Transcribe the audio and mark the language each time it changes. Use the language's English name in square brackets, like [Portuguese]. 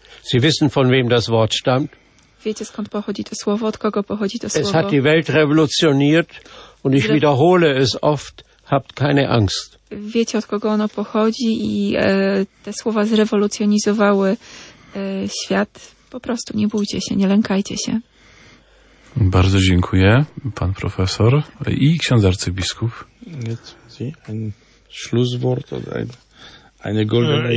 [German] Sie wissen, von wem das Wort stammt. [Polish] Wiecie, skąd pochodzi to słowo, od kogo pochodzi to słowo. [German] Es hat die Welt revolutioniert und ich wiederhole es oft, habt keine Angst. [Polish] Wiecie, od kogo ono pochodzi i te słowa zrewolucjonizowały świat. Po prostu nie bójcie się, nie lękajcie się. Bardzo dziękuję, pan profesor i ksiądz arcybiskup. [German] Ein Schlusswort oder eine goldene...